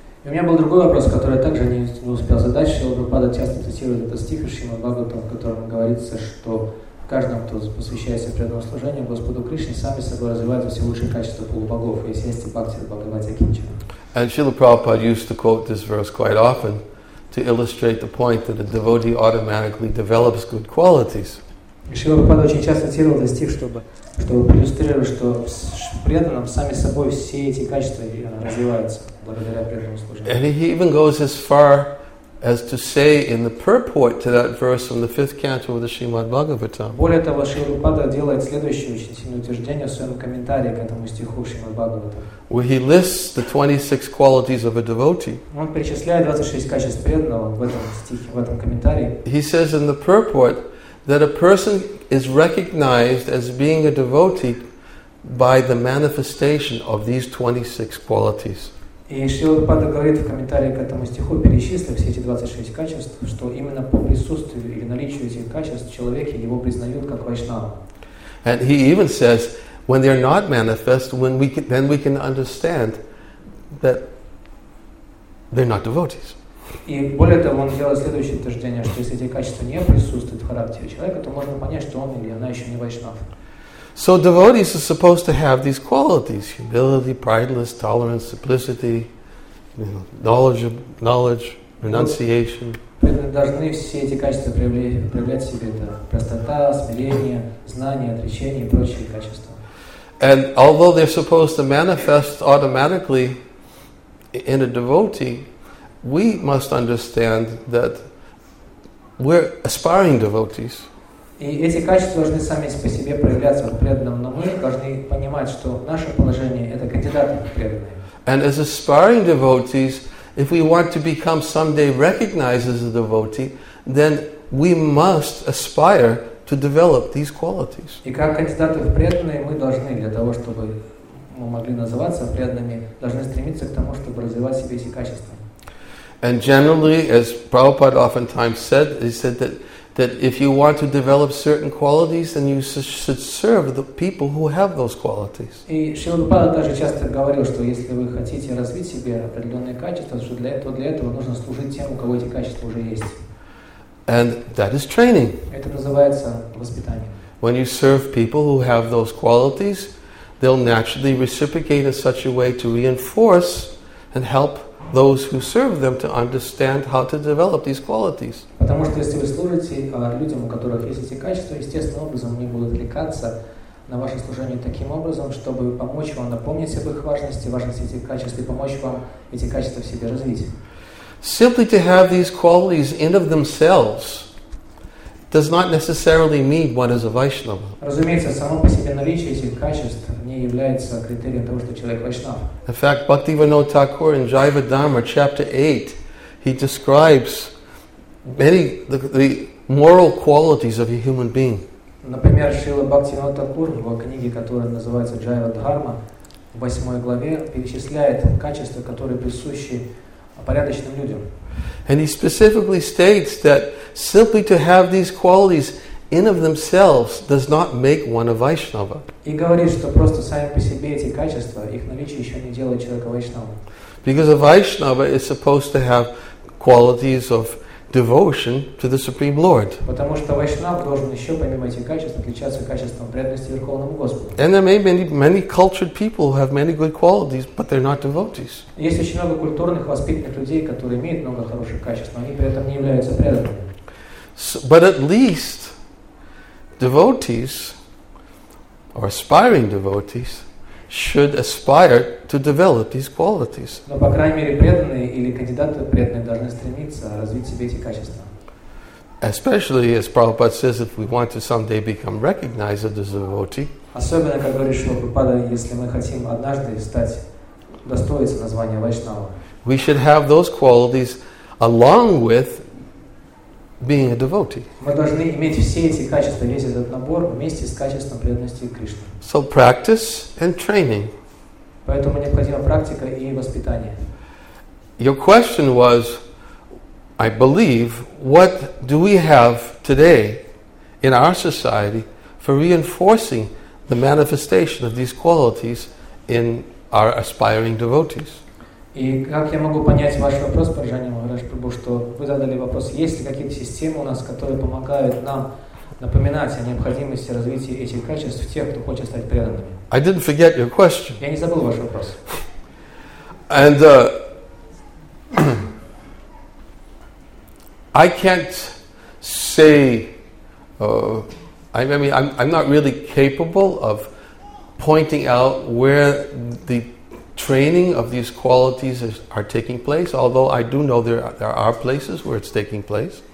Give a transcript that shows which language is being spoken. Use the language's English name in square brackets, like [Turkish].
[Russian] И у меня был другой вопрос, который я также не успел задать. Шрила Прабхупада часто цитирует этот стих из Шримад Бхагаватам, в котором говорится, что в каждом, кто посвящается преданному служению Господу Кришне, сами собой развиваются все лучшие качества полубогов, и есть бхакти Бхагавати Акинчана. [English] And Srila Prabhupada used to quote this verse quite often to illustrate the point that a devotee automatically develops good qualities. [Russian] Шрила Прабхупада очень часто цитировал этот стих, чтобы проиллюстрировать, что преданным сами собой все эти качества развиваются. [English] And he even goes as far as to say in the purport to that verse from the 5th canto of the Srimad Bhagavatam. [Russian] Более того, Шрила Прабхупада делает следующее очень сильное утверждение в своем комментарии к этому стиху Шримад Бхагаватам. [English] Where he lists the 26 qualities of a devotee. [Russian] Он перечисляет 26 качеств преданного в этом стихе, в этом комментарии. [English] He says in the purport that a person is recognized as being a devotee by the manifestation of these 26 qualities. [Russian] И Шрила Прабхупада говорит в комментарии к этому стиху, перечислив все эти 26 качеств, что именно по присутствию или наличию этих качеств человек его признают как вайшнава. [English] And he even says, when they're not manifest, then we can understand that they're not devotees. [Russian] И более того, он делает следующее утверждение, что если эти качества не присутствуют в характере человека, то можно понять, что он или она еще не вайшнав. [English] So devotees are supposed to have these qualities: humility, prideless, tolerance, simplicity, you know, knowledge, renunciation. [Russian] Должны все эти качества проявлять в себе: простота, смирение, знание, отречение и прочие качества. [English] And although they're supposed to manifest automatically in a devotee, we must understand that we're aspiring devotees. [Russian] И эти качества должны сами по себе проявляться в преданном, но мы должны понимать, что наше положение – это кандидаты в преданные. [English] And as aspiring devotees, if we want to become someday recognized as a devotee, then we must aspire to develop these qualities. [Russian] И как кандидаты в преданные, мы должны, для того, чтобы мы могли называться преданными, должны стремиться к тому, чтобы развивать себе эти качества. [English] And generally, as Prabhupada oftentimes said, he said that if you want to develop certain qualities, then you should serve the people who have those qualities. [Russian] И Шрила Прабхупада даже часто говорил, что если вы хотите развить себе определенные качества, то для этого нужно служить тем, у кого эти качества уже есть. [English] And that is training. [Russian] Это называется воспитание. [English] When you serve people who have those qualities, they'll naturally reciprocate in such a way to reinforce and help those who serve them to understand how to develop these qualities. [Russian] Потому что если вы служите людям, у которых есть эти качества, естественным образом они будут отвлекаться на ваше служение таким образом, чтобы помочь вам напомнить об их важности, важности этих качеств и помочь вам эти качества в себе развить. [English] Simply to have these qualities in of themselves does not necessarily mean one is a Vaishnava. [Russian] Разумеется, само по себе наличие этих качеств не является критерием того, что человек Вайшнав. [English] In fact, Bhaktivinoda Thakur in Jiva Dharma, chapter 8, he describes many the moral qualities of a human being. [Russian] Например, Шрила Бхактивинода Такур в книге, которая называется Jiva Dharma, в 8 главе перечисляет качества, которые присущи порядочным людям. [English] And he specifically states that simply to have these qualities in of themselves does not make one a Vaishnava. [Russian] И говорит, что просто сами по себе эти качества, их наличие еще не делает человека Вайшнавом. [English] Because a Vaishnava is supposed to have qualities of devotion to the Supreme Lord. [Russian] Потому что Вайшнав должен еще помимо этих качеств отличаться качеством преданности Верховному Господу. [English] And there may be many cultured people who have many good qualities, but they're not devotees. [Russian] Есть очень много культурных, воспитанных людей, которые имеют много хороших качеств, но они при этом не являются преданными. [English] But at least devotees or aspiring devotees should aspire to develop these qualities. [Russian] Но по крайней мере преданные или кандидаты в преданные должны стремиться развить себе эти качества. [English] Especially as Prabhupada says, if we want to someday become recognized as a devotee. [Russian] Особенно, как говорит Шрила Прабхупада, если мы хотим однажды стать достойцем названия Вайшнава. [English] We should have those qualities along with being a devotee. [Russian] Мы должны иметь все эти качества, весь этот набор вместе с качеством преданности Кришне. [English] So practice and training. [Russian] Поэтому необходима практика и воспитание. [English] Your question was, I believe, what do we have today in our society for reinforcing the manifestation of these qualities in our aspiring devotees? [Russian] И как я могу понять ваш вопрос, Парджани Махарадж Прабху, что вы задали вопрос, есть ли какие-то системы у нас, которые помогают нам напоминать о необходимости развития этих качеств в тех, кто хочет стать преданными? [English] I didn't forget your question. [Russian] Я не забыл ваш вопрос. [English] And I can't say, I'm not really capable of pointing out where the training of these qualities are taking place, although I do know there are places where it's taking place.